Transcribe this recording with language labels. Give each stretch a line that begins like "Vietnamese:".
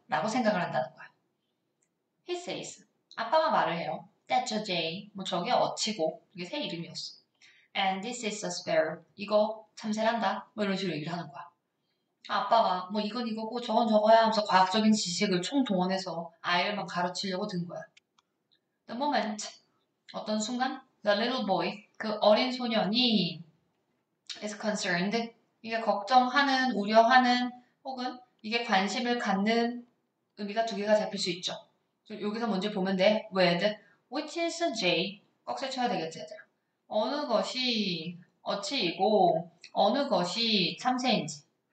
Korean: 라고 생각을 한다는 거야.
English: He says,
Korean: 아빠가 말을 해요.
English: That's a jay.
Korean: 뭐 저게 어치고 이게 새 이름이었어.
English: And this is a sparrow.
Korean: 이거 참새란다. 뭐 이런 식으로 얘기를 하는 거야. 아빠가 뭐 이건 이거고 저건 저거야 하면서 과학적인 지식을 총동원해서 아이를 막 가르치려고 든 거야.
English: The moment,
Korean: 어떤 순간
English: The little boy,
Korean: 그 어린 소년이
English: is concerned.
Korean: 이게 걱정하는, 우려하는, 혹은 이게 관심을 갖는 의미가 두 개가 잡힐 수 있죠. 여기서 먼저 보면 돼.
English: When, which is a J.
Korean: 꺽쇠 쳐야 되겠지, 얘들아. 어느 것이 어치이고, 어느 것이 참새인지.